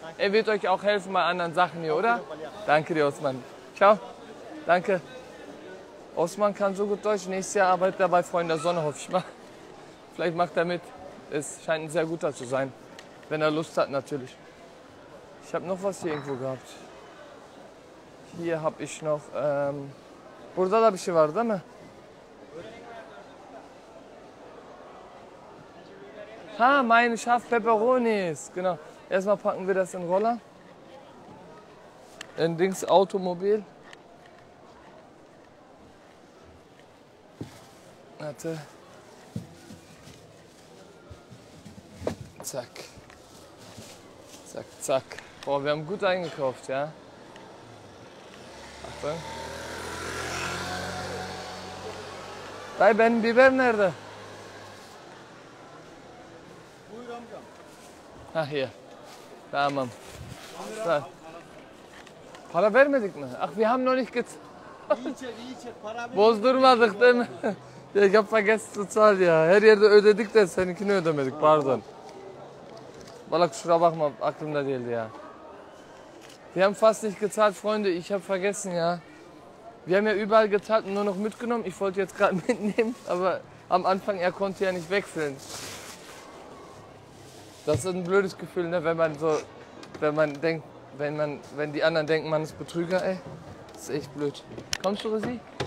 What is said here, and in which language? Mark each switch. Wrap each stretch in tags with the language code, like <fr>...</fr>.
<de>Er wird euch auch helfen bei anderen Sachen hier, oder? Danke dir, Osman. Ciao. Danke. Osman kann so gut Deutsch. Nächstes Jahr arbeitet er bei Freunden der Sonne, hoffe ich mal. Vielleicht macht er mit. Es scheint ein sehr guter zu sein. Wenn er Lust hat, natürlich. Ich habe noch was hier irgendwo gehabt. Hier habe ich noch,</de> <tr>burada da bir şey var, değil mi?</tr> <de>Ha, mein Schaf Peperonis, genau. Erstmal packen wir das in Roller. In Dings Automobil. Warte. Zack. Zack, zack. Boah, wir haben gut eingekauft, ja.</de> <tr>Bey benim biber nerede? Buyur amcam.</tr> <de>Ha hier. Tamam.</de> <tr>Para vermedik mi?</tr> <de>Ach wir haben noch nicht</de> <tr>gezahlt. İyi içe, para vermedik. Bozdurmadık değil mi? Ya yapma geç tutar ya. Her yerde ödedik de seninkini ödemedik, pardon. Valla kusura bakma, aklımda değildi ya.</tr> <de>Wir haben fast nicht gezahlt, Freunde. Ich habe vergessen, ja. Wir haben ja überall gezahlt und nur noch mitgenommen. Ich wollte jetzt gerade mitnehmen, aber am Anfang, er konnte ja nicht wechseln. Das ist ein blödes Gefühl, ne? Wenn man so, wenn man denkt, wenn man, wenn die anderen denken, man ist Betrüger, ey. Das ist echt blöd. Kommst du, Resi?</de>